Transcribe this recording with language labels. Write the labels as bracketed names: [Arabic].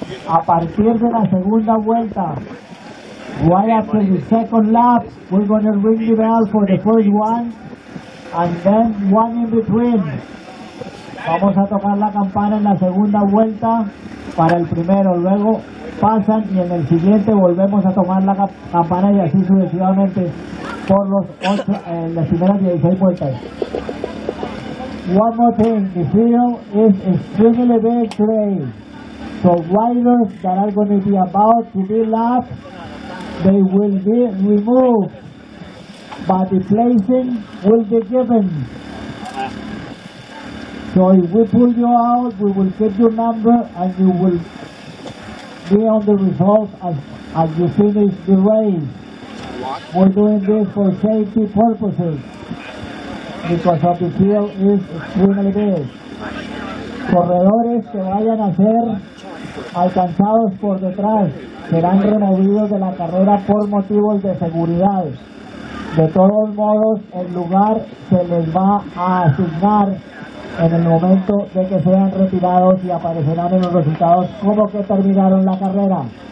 [Spanish] A partir de la segunda vuelta, [English] right after the second lap, we're going to ring the bell for the first one, and then one in between. [Spanish] Vamos a tocar la campana en la segunda vuelta para el primero, luego pasan y en el siguiente volvemos a tomar la campana y así sucesivamente por los ocho, las primeras 16 vueltas. [English] One more thing, the field is extremely big today. So riders that are going to be about to be lapped, they will be removed, but the placing will be given. So if we pull you out, we will get your number and you will be on the results as you finish the race. We're doing this for safety purposes because of the field is extremely big. [Spanish] Corredores que vayan a ser alcanzados por detrás serán removidos de la carrera por motivos de seguridad. De todos modos, el lugar se les va a asignar en el momento de que sean retirados y aparecerán en los resultados como que terminaron la carrera.